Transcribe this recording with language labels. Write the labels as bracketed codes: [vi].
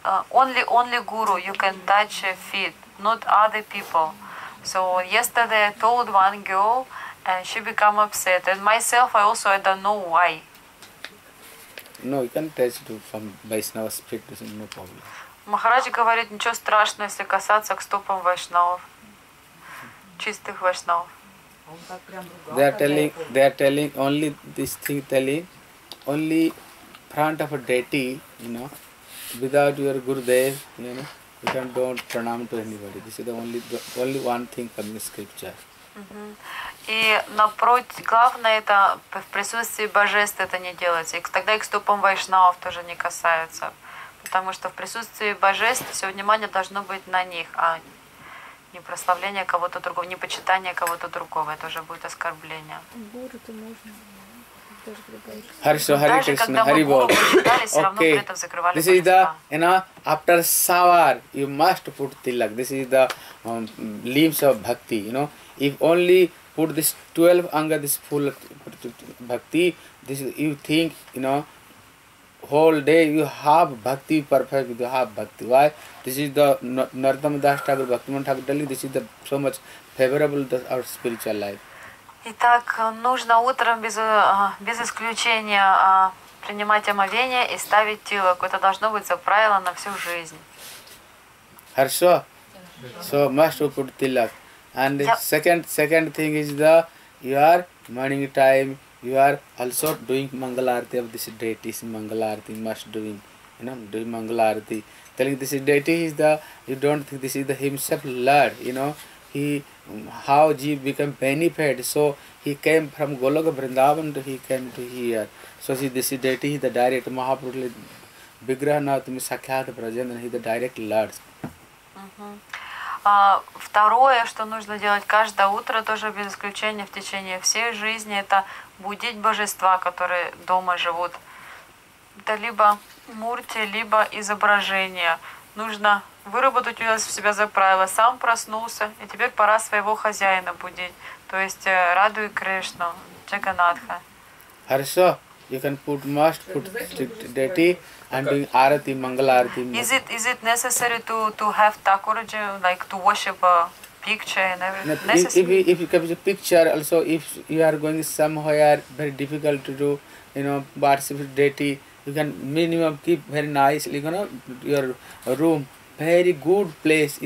[en] Only guru you can touch feet, not other people. So yesterday I told one girl and she became upset. And myself I also I don't know why. No, you can touch it from Vaishnava's feet, this is no problem. [ru] Махарадж говорит, ничего страшного, если касаться к стопам вайшнавов, чистых вайшнавов. [en] They are telling only this thing telling, only front of a deity, you know, without your Gurudev, you know, you can don't pranam to anybody. This is the only one thing from the scripture. [ru] И напротив, главное это в присутствии божеств это не делать, и тогда к стопам вайшнавов тоже не касаются. Потому что в присутствии божеств все внимание должно быть на них, а не прославление кого-то другого, не почитание кого-то другого. Это уже будет оскорбление. Хорошо, Хари Кришна, Хари Бог. Окей. [en] This is the, you know, after shower you must put tilak. This is the leaves of bhakti, you know. If only put this 12 anga, this full bhakti, this you think, you know, whole day you have bhakti, perfect you have bhakti. Why? This is the Nartam Das Thakur Bhaktivinoda Thakur Delhi, this is the so much favorable to our spiritual life. [ru] Итак, нужно утром без исключения принимать омовение и ставить тилок. Это должно быть за правило на всю жизнь. Хорошо? [en] So must put tilak. And second thing is the your morning time, you are also doing Mangalarti of this deity. Is Mangalarti must doing. You know, doing Mangalarti. Telling this deity is the, you don't think this is the himself Lord, you know. He, how Jeev became benefited, so he came from Goloka Vrindavan to he came to here. So see, this is deity, he is the direct Mahaprabhu, Vigrahanathami Sakhyat Prajanan, he is the direct Lord. [ru] Второе, что нужно делать каждое утро, тоже без исключения, в течение всей жизни, это будить божества, которые дома живут. Это либо мурти, либо изображение. Нужно выработать у нас в себя за правило. Сам проснулся, и теперь пора своего хозяина будить. То есть радуй Кришну, Джаганатха. Хорошо. [en] You can put, must put strict deity and doing arati, mangala arati. Is it necessary to have takuraji, like to worship a picture and everything? No, if you have a picture, also if you are going somewhere very difficult to do, you know, worship deity, you can minimum keep very nicely, you know, your room, very good place.